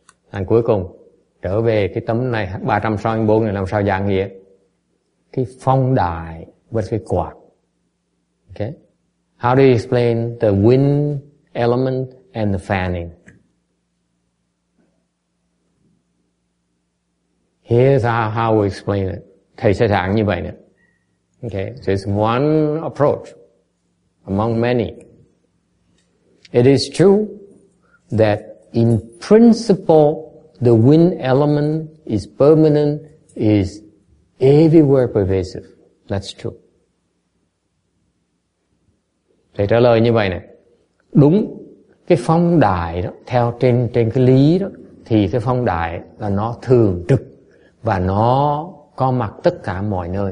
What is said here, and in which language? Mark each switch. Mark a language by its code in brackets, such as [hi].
[vi] And cuối cùng, trở về cái tấm này 364 này làm sao giảng nghĩa? Cái phong đài với cái quạt. Okay. [en] How do you explain the wind element and the fanning? Here's how we explain it. [vi] Thầy sẽ giảng như vậy nè. [en] Okay. So it's one approach among many. It is true that in principle, the wind element is permanent, is everywhere pervasive. That's true. [vi] Thầy trả lời như vậy nè. Đúng, cái phong đài đó, theo trên cái lý đó, thì cái phong đài là nó thường trực và nó có mặt tất cả mọi nơi.